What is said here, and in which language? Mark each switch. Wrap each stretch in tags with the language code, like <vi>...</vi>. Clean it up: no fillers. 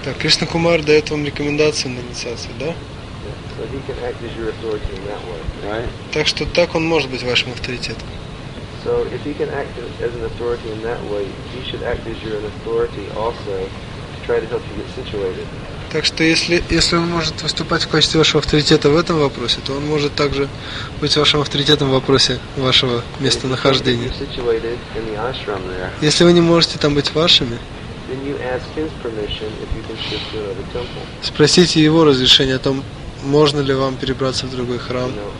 <ru>Так, Кришна Кумар дает вам рекомендацию на инициацию, да?</ru> <en>So he can act as your authority in that way, right?</en> <ru>Так что так он может быть вашим авторитетом.</ru> <en>So if he can act as an authority in that way, he should act as your authority also to try to help you get situated.</en> <ru>Так что если он может выступать в качестве вашего авторитета в этом вопросе, то он может также быть вашим авторитетом в вопросе вашего местонахождения.</ru> <en>If you're situated in the ashram there,</en> <ru>если вы не можете там быть вашими,</ru> <en>then you ask his permission if you can shift to another temple.</en> <ru>Спросите его разрешение о том, можно ли вам перебраться в другой храм.</ru>